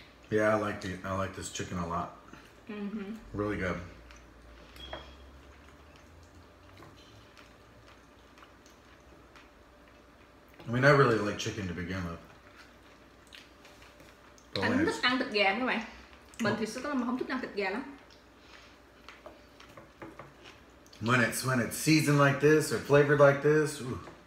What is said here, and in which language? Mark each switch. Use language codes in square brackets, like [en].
[en] Yeah, I like this chicken a lot. Mm-hmm. Really good. I mean, I really like chicken to begin with. But [vi] anh thích ăn thịt gà các bạn. Mình thì rất là mà không thích ăn thịt gà lắm. [en] When it's seasoned like this or flavored like this, ooh,